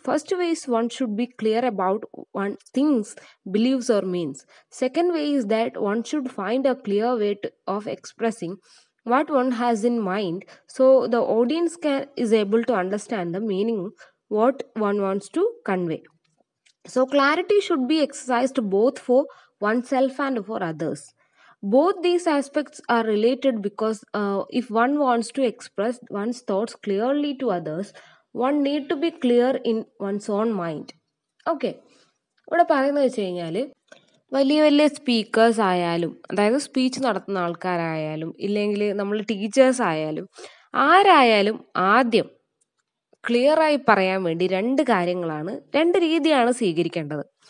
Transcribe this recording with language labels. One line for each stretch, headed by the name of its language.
English: First ways one should be clear about one things believes or means. Second ways that one should find a clear way of expressing what one has in mind so the audience can is able to understand the meaning what one wants to convey. So clarity should be exercised both for oneself and for others. Both these aspects are related because if one wants to express one's thoughts clearly to others, one need to be clear in one's own mind.
Malayalam: Okay, ഇവിടെ പറയുന്നത് വെച്ച് കഴിഞ്ഞാൽ, വലിയ വലിയ speakers ആയാലും, അതായത് speech നടത്തുന്ന ആൾക്കാരായാലും, ഇല്ലെങ്കിൽ നമ്മൾ ടീച്ചേഴ്സ് ആയാലും, ആരായാലും ആദ്യം ക്ലിയറായി പറയാൻ വേണ്ടി രണ്ട് കാര്യങ്ങളാണ്, രണ്ട് രീതിയാണ് സ്വീകരിക്കേണ്ടത്.